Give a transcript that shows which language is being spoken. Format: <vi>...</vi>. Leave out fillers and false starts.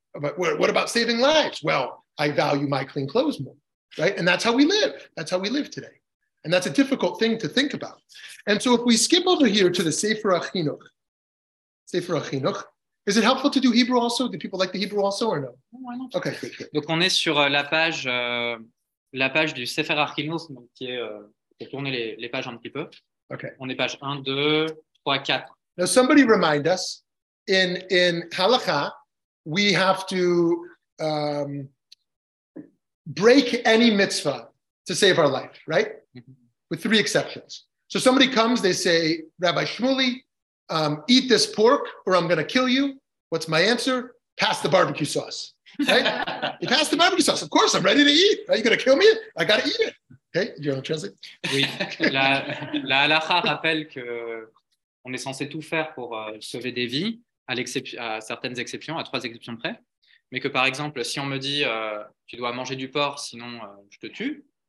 <en>But what about saving lives? Well, I value my clean clothes more. Right? And that's how we live. That's how we live today. And that's a difficult thing to think about. And so if we skip over here to the Sefer HaChinuch, Sefer HaChinuch, is it helpful to do Hebrew also? Do people like the Hebrew also or no? Why not? Okay, good, good.</en> <fr>Donc on est sur la page du Sefer HaChinuch, donc qui est, pour tourner les pages un petit peu.</fr> <en>Okay.</en> <fr>On est page 1, 2, 3, 4.</fr> <en>Now somebody remind us, in Halakha, we have to break any mitzvah to save our life, right? Mm-hmm. With three exceptions. So somebody comes, they say, Rabbi Shmuly, eat this pork or I'm going to kill you. What's my answer? Pass the barbecue sauce. Right? You pass the barbecue sauce. Of course, I'm ready to eat. Are you going to kill me? I got to eat it. Okay, do you want to translate?</en> <fr>Oui. La halakha rappelle que on est censé tout faire pour sauver des vies, à certaines exceptions, à trois exceptions près. Mais que par exemple, si on me dit tu dois manger du porc, sinon je te tue.</fr>